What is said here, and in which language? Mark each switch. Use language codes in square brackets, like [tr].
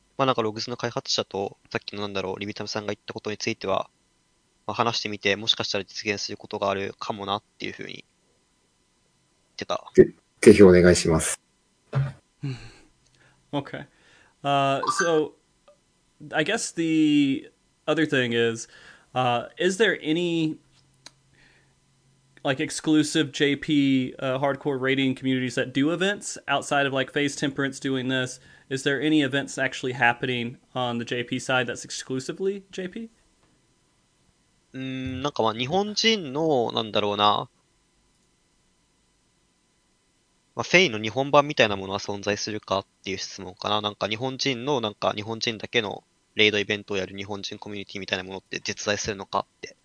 [ja] まあなんかログズの開発者とさっきのなんだろうリビタムさんが言ったことについては、まあ、話してみてもしかしたら実現することがあるかもなっていうふうに言ってた。ぜひお願いします。 [en] okay. So I guess the other thing is there any like exclusive JP hardcore raiding communities that do events outside of like FaZe Temperance doing this? Is there any events actually happening on the JP side that's exclusively JP? [ja] なんかまあ日本人のなんだろうな、まあ、フェイの日本版みたいなものは存在するかっていう質問かな。なんか日本人のなんか日本人だけのレイドイベントをやる日本人コミュニティみたいなものって実在するのかって。